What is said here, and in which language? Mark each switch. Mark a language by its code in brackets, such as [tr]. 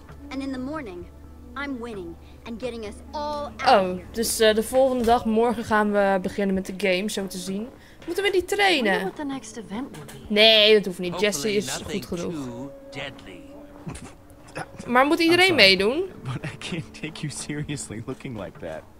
[en] And in the morning, I'm winning and getting us all out. [nl] Oh, dus de volgende dag, morgen gaan we beginnen met de game, zo te zien. Moeten we niet trainen? [en] What the next event will be. [nl] Nee, dat hoeft niet. Jesse is goed genoeg. Maar moet iedereen meedoen? [en] But I can't take you seriously looking like that.